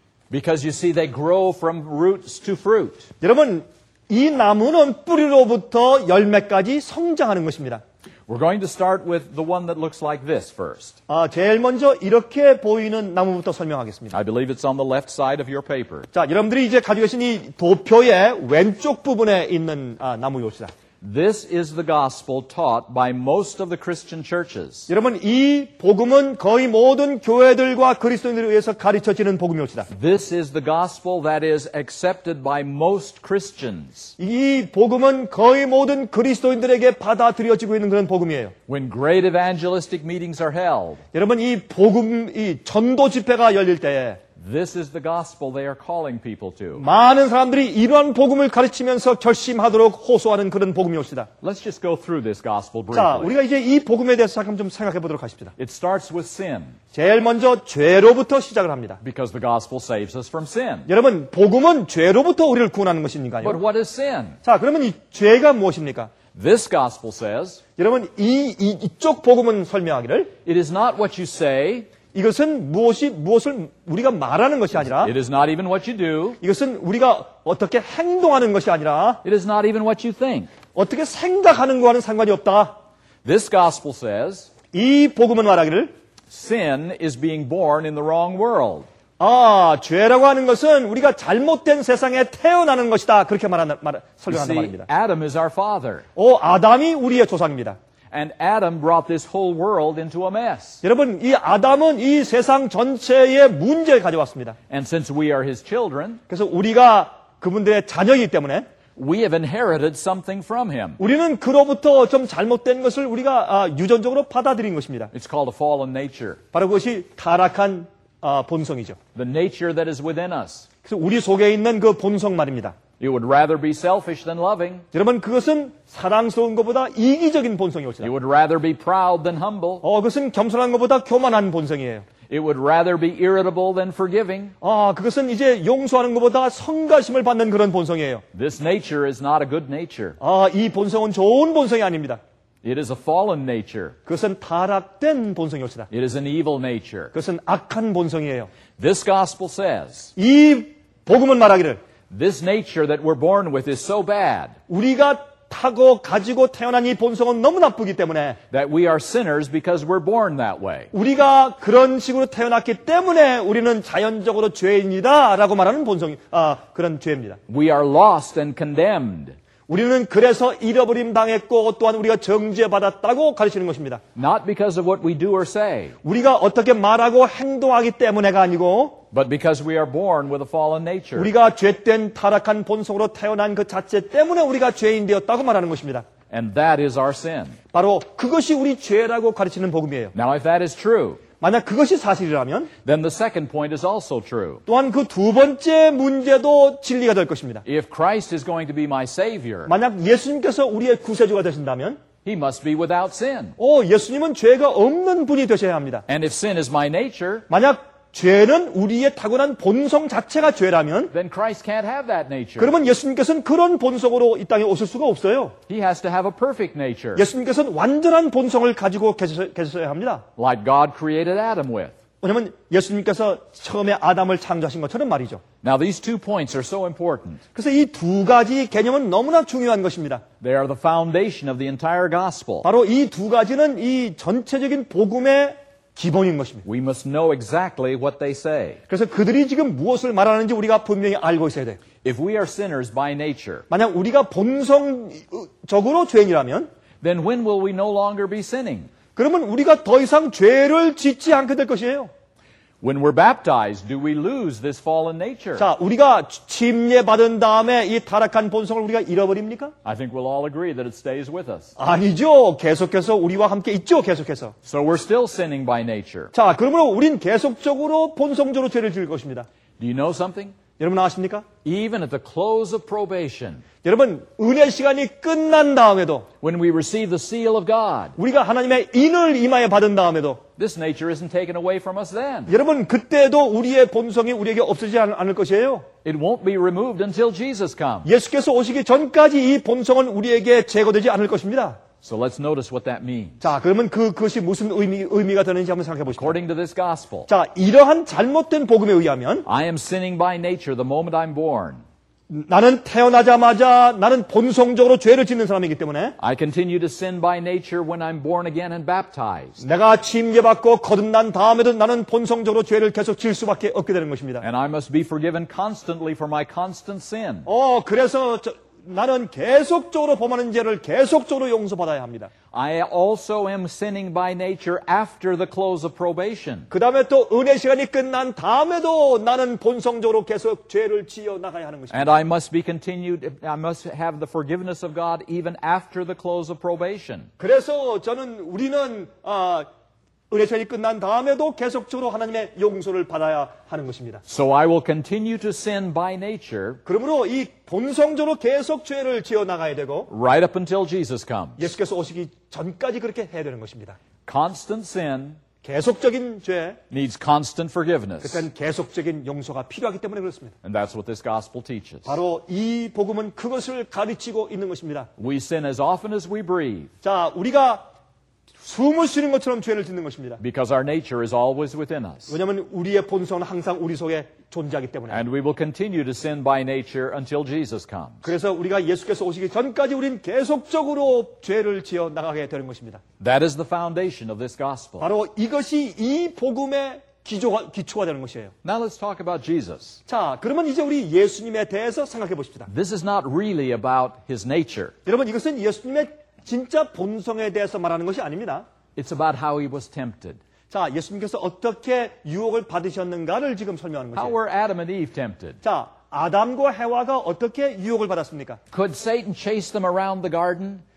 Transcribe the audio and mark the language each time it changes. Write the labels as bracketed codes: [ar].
[en] Because you see they grow from roots to fruit. [ko] 여러분 이 나무는 뿌리로부터 열매까지 성장하는 것입니다. [en] We're going to start with the one that looks like this first. [ko] 아, 제일 먼저 이렇게 보이는 나무부터 설명하겠습니다. [en] I believe it's on the left side of your paper. [ko] 자, 여러분들이 이제 가지고 계신 이 도표의 왼쪽 부분에 있는 아, 나무입니다. [en] This is the gospel taught by most of the Christian churches. [ko] 여러분, 이 복음은 거의 모든 교회들과 그리스도인들에 의해서 가르쳐지는 복음입니다. [en] This is the gospel that is accepted by most Christians. [ko] 이 복음은 거의 모든 그리스도인들에게 받아들여지고 있는 그런 복음이에요. [en] When great evangelistic meetings are held. [ko] 여러분, 이 복음 이 전도 집회가 열릴 때에 [en] This is the gospel they are calling people to. [ko] 많은 사람들이 이런 복음을 가르치면서 결심하도록 호소하는 그런 복음이옵시다. [en] Let's just go through this gospel briefly. [ko] 자, 우리가 이제 이 복음에 대해서 잠깐 좀 생각해 보도록 하십시다. [en] It starts with sin. [ko] 제일 먼저 죄로부터 시작을 합니다. [en] Because the gospel saves us from sin. [ko] 여러분, 복음은 죄로부터 우리를 구원하는 것입니까요? [en] But what is sin? [ko] 자, 그러면 이 죄가 무엇입니까? [en] This gospel says. [ko] 여러분, 이쪽 복음은 설명하기를. [en] It is not what you say. [ko] 이것은 무엇이 무엇을 우리가 말하는 것이 아니라 [en] It is not even what you do. [ko] 이것은 우리가 어떻게 행동하는 것이 아니라 [en] It is not even what you think. [ko] 어떻게 생각하는 것과는 상관이 없다. [en] This gospel says, [ko] 이 복음은 말하기를 [en] Sin is being born in the wrong world. [ko] 아, 죄라고 하는 것은 우리가 잘못된 세상에 태어나는 것이다. 그렇게 설명한다는 말입니다. [en] Adam is our father. [ko] 오, 아담이 우리의 조상입니다. [en] And Adam brought this whole world into a mess. [ko] 여러분, 이 아담은 이 세상 전체에 문제를 가져왔습니다. [en] And since we are his children, [ko] 그래서 우리가 그분들의 자녀이기 때문에, [en] we have inherited something from him. [ko] 우리는 그로부터 좀 잘못된 것을 우리가 유전적으로 받아들인 것입니다. [en] It's called a fallen nature. [ko] 바로 그것이 타락한 본성이죠. [en] The nature that is within us. [ko] 그래서 우리 속에 있는 그 본성 말입니다. [en] You would rather be selfish than loving. [ko] 여러분, 그것은 사랑스러운 것보다 이기적인 본성이 옵니다. [en] You would rather be proud than humble. [ko] 그것은 겸손한 것보다 교만한 본성이에요. [en] It would rather be irritable than forgiving. [ko] 그것은 이제 용서하는 것보다 성가심을 받는 그런 본성이에요. [en] This nature is not a good nature. [ko] 이 본성은 좋은 본성이 아닙니다. [en] It is a fallen nature. [ko] 그것은 타락된 본성이 옵니다. [en] It is an evil nature. [ko] 그것은 악한 본성이에요. [en] This gospel says. [ko] 이 복음은 말하기를. [en] This nature that we're born with is so bad. [ko] 우리가 타고 가지고 태어난 이 본성은 너무 나쁘기 때문에 [en] that we are sinners because we're born that way. [ko] 우리가 그런 식으로 태어났기 때문에 우리는 자연적으로 죄인이다라고 말하는 본성이 그런 죄입니다. [en] We are lost and condemned. [ko] 우리는 그래서 잃어버림 당했고 또한 우리가 정죄받았다고 가르치는 것입니다. [en] Not because of what we do or say. [ko] 우리가 어떻게 말하고 행동하기 때문에가 아니고 [en] But because we are born with a fallen nature. [ko] 우리가 죄된 타락한 본성으로 태어난 그 자체 때문에 우리가 죄인 되었다고 말하는 것입니다. [en] And that is our sin. [ko] 바로 그것이 우리 죄라고 가르치는 복음이에요. [en] Now if that is true. [ko] 만약 그것이 사실이라면 [en] Then the second point is also true. [ko] 또한 그 두 번째 문제도 진리가 될 것입니다. [en] If Christ is going to be my savior. [ko] 만약 예수님께서 우리의 구세주가 되신다면 [en] He must be without sin. [ko] 예수님은 죄가 없는 분이 되셔야 합니다. [en] And if sin is my nature. [ko] 만약 죄는 우리의 타고난 본성 자체가 죄라면 [en] Then Christ can't have that nature. [ko] 그러면 예수님께서는 그런 본성으로 이 땅에 오실 수가 없어요. [en] He has to have a perfect nature. [ko] 예수님께서는 완전한 본성을 가지고 계셔야 합니다. [en] Like God created Adam with. [ko] 왜냐면 예수님께서 처음에 아담을 창조하신 것처럼 말이죠. [en] Now these two points are so important. [ko] 그래서 이 두 가지 개념은 너무나 중요한 것입니다. [en] They are the foundation of the entire gospel. [ko] 바로 이 두 가지는 이 전체적인 복음의 기본인 것입니다. [en] We must know exactly what they say. [ko] 그래서 그들이 지금 무엇을 말하는지 우리가 분명히 알고 있어야 돼. [en] If we are sinners by nature. [ko] 만약 우리가 본성적으로 죄인이라면 [en] then when will we no longer be sinning? [ko] 그러면 우리가 더 이상 죄를 짓지 않게 될 것이에요. [en] When we're baptized, do we lose this fallen nature? [ko] 자, 우리가 침례 받은 다음에 이 타락한 본성을 우리가 잃어버립니까? [en] I think we'll all agree that it stays with us. [ko] 아니죠. 계속해서 우리와 함께 있죠. 계속해서. [en] So we're still sinning by nature. [ko] 자, 그러므로 우린 계속적으로 본성적으로 죄를 지을 것입니다. [en] Do you know something? [ko] 여러분 아십니까? [en] Even at the close of probation. [ko] 여러분 은혜 시간이 끝난 다음에도 [en] when we receive the seal of God. [ko] 우리가 하나님의 인을 임하여 받은 다음에도 [en] this nature isn't taken away from us then. [ko] 여러분 그때도 우리의 본성이 우리에게 없어지지 않을 것이에요. [en] It won't be removed until Jesus comes. [ko] 예수께서 오시기 전까지 이 본성은 우리에게 제거되지 않을 것입니다. [en] So let's notice what that means. [ko] 자, 그러면 그것이 무슨 의미가 되는지 한번 생각해 보시죠. [en] According to this gospel. [ko] 자, 이러한 잘못된 복음에 의하면 [en] I am sinning by nature the moment I'm born. [ko] 나는 태어나자마자 나는 본성적으로 죄를 짓는 사람이기 때문에 [en] I continue to sin by nature when I'm born again and baptized. [ko] 내가 침례 받고 거듭난 다음에도 나는 본성적으로 죄를 계속 질 수밖에 없게 되는 것입니다. [en] And I must be forgiven constantly for my constant sin. [ko] 그래서 나는 계속적으로 범하는 죄를 계속적으로 용서받아야 합니다. [en] I also am sinning by nature after the close of probation. [ko] 그 다음에 또 은혜 시간이 끝난 다음에도 나는 본성적으로 계속 죄를 지어 나가야 하는 것입니다. [en] And I must be continued. I must have the forgiveness of God even after the close of probation. [ko] 그래서 저는 우리는 은혜 시간이 끝난 다음에도 계속적으로 하나님의 용서를 받아야 하는 것입니다. [en] So I will continue to sin by nature. [ko] 그러므로 이 본성적으로 계속 죄를 지어 나가야 되고 [en] right up until Jesus comes. [ko] 예수께서 오시기 전까지 그렇게 해야 되는 것입니다. [en] Constant sin [ko] 계속적인 죄 [en] needs constant forgiveness. [ko] 그건 계속적인 용서가 필요하기 때문에 그렇습니다. [en] And that's what this gospel teaches. [ko] 바로 이 복음은 그것을 가르치고 있는 것입니다. [en] We sin as often as we breathe. [ko] 자, 우리가 숨을 쉬는 것처럼 죄를 짓는 것입니다. [en] Because our nature is always within us. [ko] 왜냐하면 우리의 본성은 항상 우리 속에 존재하기 때문에. [en] And we will continue to sin by nature until Jesus comes. [ko] 그래서 우리가 예수께서 오시기 전까지 우린 계속적으로 죄를 지어 나가게 되는 것입니다. [en] That is the foundation of this gospel. [ko] 바로 이것이 이 복음의 기초가 되는 것이에요. [en] Now let's talk about Jesus. [ko] 자, 그러면 이제 우리 예수님에 대해서 생각해 보십시다. [en] This is not really about his nature. [ko] 여러분, 이것은 예수님의 진짜 본성에 대해서 말하는 것이 아닙니다. [en] It's about how he was tempted. [ko] 자, 예수님께서 어떻게 유혹을 받으셨는가를 지금 설명하는 것이에요. [en] How were Adam and Eve tempted? [ko] 자, 아담과 해와가 어떻게 유혹을 받았습니까? [en] Could Satan chase them around the garden?